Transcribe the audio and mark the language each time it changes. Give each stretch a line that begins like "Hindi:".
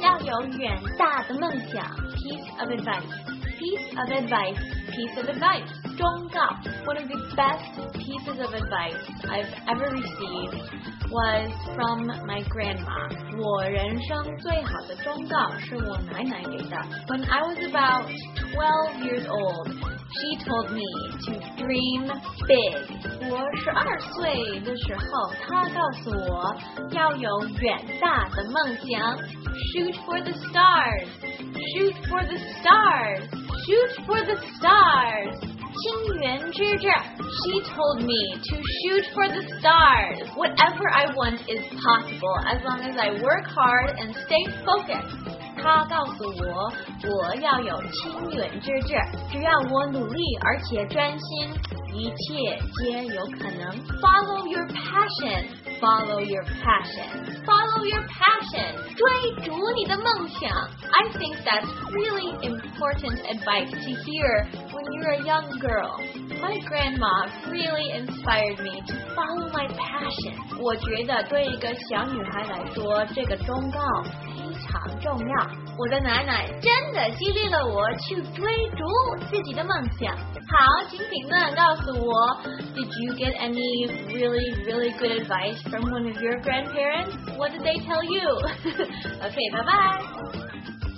Chinese: 要有远大的梦想。
English: Piece of advice, piece of advice, piece of advice.
Chinese: 忠告。
English: One of the best pieces of advice I've ever received was from my grandma.
Chinese: 我人生最好的忠告是我奶奶给的。
English: When I was about 12 years old,She told me to dream big.
Chinese: 我十二岁的时候，她告诉我要有远大的梦想。
English: Shoot for the stars. Shoot for the stars. Shoot for the stars.
Chinese: 青云之志。
English: She told me to shoot for the stars. Whatever I want is possible as long as I work hard and stay focused.
Chinese: 他告诉我，我要有青云之志，只要我努力而且专心，一切皆有可能。
English: Follow your passion, follow your passion, follow your passion.
Chinese: 追逐你的梦想。
English: I think that's really important advice to hear when you're a young girl. My grandma really inspired me to follow my passion.
Chinese: 我觉得对一个小女孩来说，这个忠告重要，我的奶奶真的激励了我去追逐自己的梦想。好，请评论告诉我
English: ，Did you get any really really good advice from one of your grandparents? What did they tell you? Okay, bye bye.